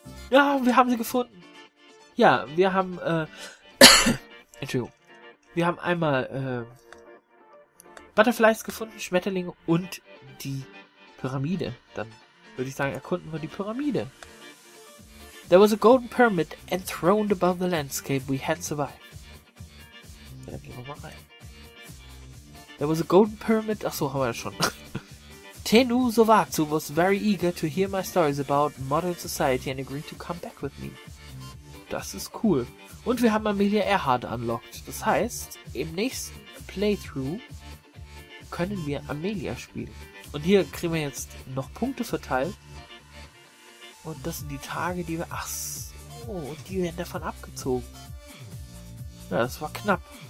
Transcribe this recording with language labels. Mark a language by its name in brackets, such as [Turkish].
[German] Ja, wir haben sie gefunden. Ja, wir haben Entschuldigung. Wir haben einmal Butterflies gefunden, Schmetterlinge und die Pyramide. Dann würde ich sagen, erkunden wir die Pyramide. [English] There was a golden pyramid enthroned above the landscape. We had survived. [German] Ja, dann gehen wir mal rein. [English] There was a golden pyramid. [German] Ach so, haben wir ja schon. [English] Tenu Sowatsu was very eager to hear my stories about modern society and agreed to come back with me. [German] Das ist cool. Und wir haben Amelia Earhart unlocked. Das heißt, im nächsten Playthrough können wir Amelia spielen. Und hier kriegen wir jetzt noch Punkte verteilt. Und das sind die Tage, die wir... Ach so, und die werden davon abgezogen. Ja, das war knapp.